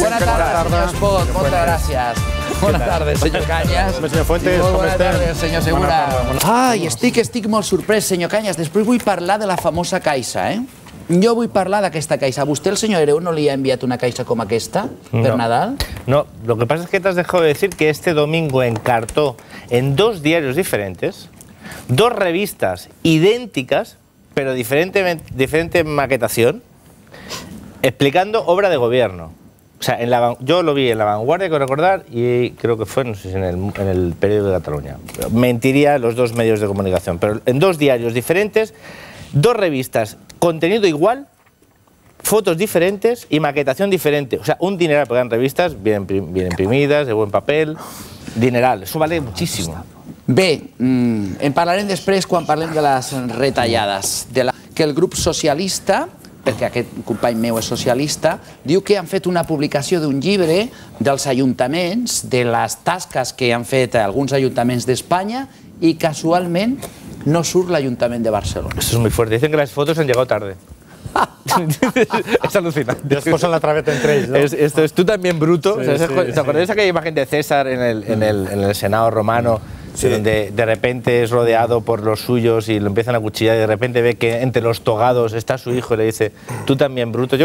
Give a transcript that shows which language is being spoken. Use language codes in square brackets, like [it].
[ca] Bona tarda, senyor Espot. Moltes gràcies. Bona tarda, senyor Cañas. Senyor Fuentes, com estem? Bona tarda, senyor Segura. Ai, estic molt sorprès, senyor Cañas. Després vull parlar de la famosa Caixa, Jo vull parlar d'aquesta caixa. ¿Vostè, el senyor Hereu, no li ha enviat una caixa com aquesta per Nadal? [es] No, lo que pasa es que te has dejado de decir que este domingo encartó en dos diarios diferentes dos revistas idénticas, pero diferente maquetación, explicando obra de gobierno. O sea, yo lo vi en La Vanguardia, quiero recordar, y creo que fue, no sé si en el periódico de Cataluña. Mentiría los dos medios de comunicación, pero en dos diarios diferentes, dos revistas, contenido igual, fotos diferentes y maquetación diferente. O sea, un dineral, porque eran revistas bien imprimidas, de buen papel, dineral. Eso vale muchísimo. [ca] Bé, en parlarem després quan parlem de les retallades. Que el grup socialista, perquè aquest company meu és socialista, diu que han fet una publicació d'un llibre dels ajuntaments, de les tasques que han fet alguns ajuntaments d'Espanya, i casualment no surt l'Ajuntament de Barcelona. [es] Eso es muy fuerte. Dicen que las fotos han llegado tarde. Es alucinante. [ca] Les posen la traveta entre ells, ¿no? [es] Esto es tú también, Bruto. ¿Te acordáis aquella imagen de César en el Senado romano? Sí. Donde de repente es rodeado por los suyos y lo empiezan a cuchillar y de repente ve que entre los togados está su hijo y le dice, tú también, Bruto.